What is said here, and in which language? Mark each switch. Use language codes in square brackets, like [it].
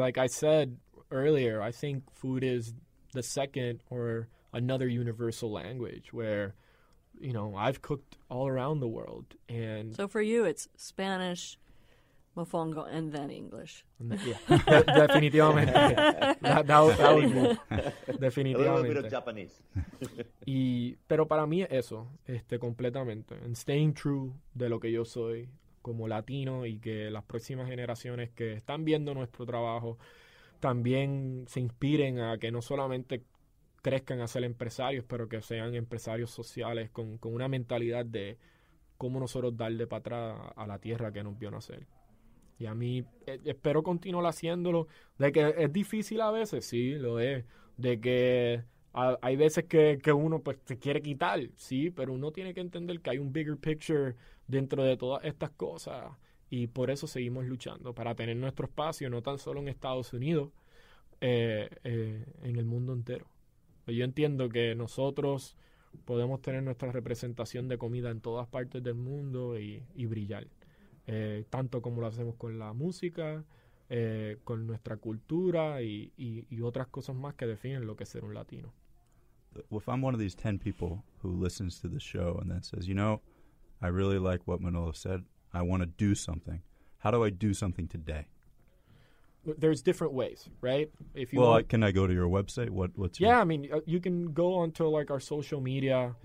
[en] Like I said earlier, I think food is the second or another universal language where, you know, I've cooked all around the world. And so for you, it's Spanish, mofongo, and then English. Yeah. Definitivamente. That would be definitivamente. A little bit of Japanese. [es] pero para mí eso, completamente. [en] And staying true [es] de lo que yo soy como latino, y que las próximas generaciones que están viendo nuestro trabajo también se inspiren a que no solamente crezcan a ser empresarios, pero que sean empresarios sociales con una mentalidad de cómo nosotros darle para atrás a la tierra que nos vio nacer. Y a mí, espero continuar haciéndolo, de que es difícil a veces, sí, lo es, de que hay veces que uno pues se quiere quitar, sí, pero uno tiene que entender que hay un [en] bigger picture [es] dentro de todas estas cosas y por eso seguimos luchando, para tener nuestro espacio, no tan solo en Estados Unidos, en el mundo entero. Yo entiendo que nosotros podemos tener nuestra representación de comida en todas partes del mundo y brillar, tanto como lo hacemos con la música, con nuestra cultura y otras cosas más que definen lo que es ser un latino. [en] Well, if I'm one of these 10 people who listens to the show and then says, you know, I really like what Manolo said, I want to do something, how do I do something today? There's different ways, right? If you can I go to your website? What's yeah, your... I mean, you can go onto like our social media.